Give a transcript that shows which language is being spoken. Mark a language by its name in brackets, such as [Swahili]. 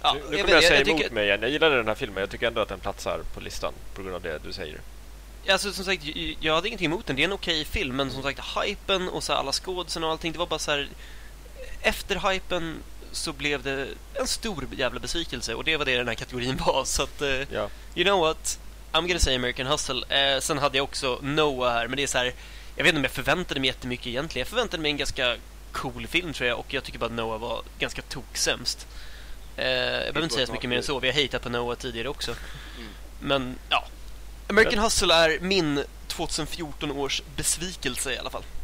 [Swedish] Nu kommer jag säga emot mig igen. Jag gillade den här filmen. Jag tycker ändå att den platsar på listan på grund av det du säger. Alltså, som sagt, jag hade ingenting emot den. Det är en okej film, men som sagt, hypen och så alla skådespelarna och allting, det var bara så här, efter hypen så blev det en stor jävla besvikelse, och det var det den här kategorin var. Så att, [English] you know what, I'm gonna say American Hustle. [Swedish] Sen hade jag också Noah här, men det är så här, jag vet inte om jag förväntade mig jättemycket egentligen. Jag förväntade mig en ganska cool film, tror jag, och jag tycker bara att Noah var ganska toksämst. Jag behöver inte säga så mycket mer än så. Vi har hatat på Noah tidigare också. Men, ja, American Hustle är min 2014 års besvikelse i alla fall.